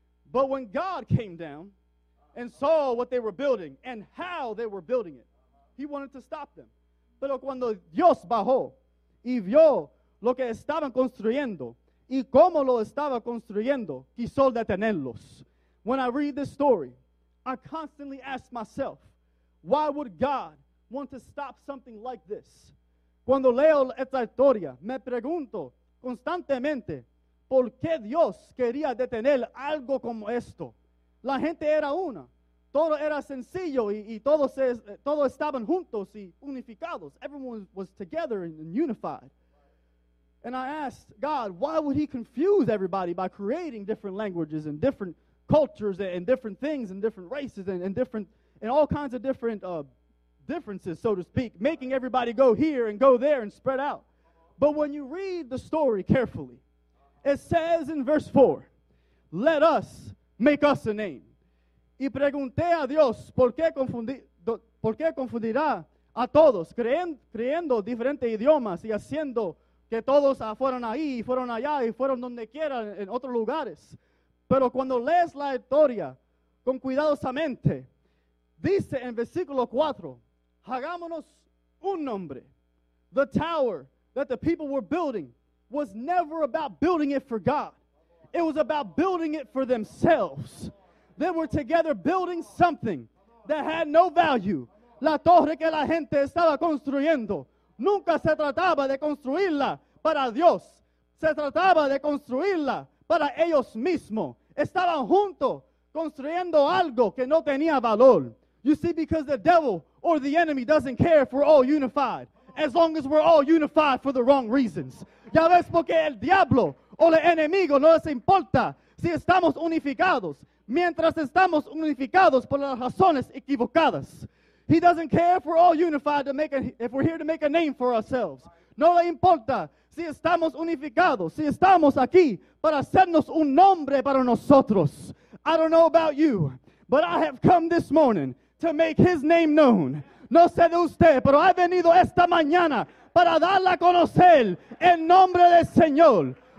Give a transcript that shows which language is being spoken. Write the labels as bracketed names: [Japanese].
[English] But when God came down and saw what they were building and how they were building it, he wanted to stop them. [Spanish] Pero cuando Dios bajó y vio lo que estaban construyendo y cómo lo estaba construyendo, quiso detenerlos. [English] When I read this story, I constantly ask myself, why would God want to stop something like this? [Spanish] Cuando leo esta historia, me pregunto constantemente, ¿por qué Dios quería detener algo como esto? La gente era una. Todo era sencillo y todos estaban juntos y unificados. [English] Everyone was together and unified. And I asked God, why would he confuse everybody by creating different languages and different cultures and different things and different races and all kinds of differences, so to speak, making everybody go here and go there and spread out. But when you read the story carefully, it says in verse 4, let us make us a name. [Spanish] Y pregunté a Dios, ¿por qué confundirá a todos, creando diferentes idiomas y haciendo que todos fueron ahí y fueron allá y fueron donde quiera en otros lugares? Pero cuando lees la historia con cuidadosamente, dice en versículo 4, hagámonos un nombre. [English] The tower that the people were building was never about building it for God. It was about building it for themselves. They were together building something that had no value. [Spanish] La torre que la gente estaba construyendo nunca se trataba de construirla para Dios. Se trataba de construirla para ellos mismos. Estaban juntos construyendo algo que no tenía valor. [English] You see, because the devil or the enemy doesn't care if we're all unified, as long as we're all unified for the wrong reasons. [Spanish] Ya ves, porque el diablo o el enemigo no les importa si estamos unificados, mientras estamos unificados por las razones equivocadas. [English] He doesn't care if we're all unified if we're here to make a name for ourselves. [Spanish] No le importa si estamos unificados, si estamos aquí para hacernos un nombre para nosotros. [English] I don't know about you, but I have come this morning to make his name known. [Spanish] No sé de usted, pero he venido esta mañana para darle a conocer el nombre del Señor.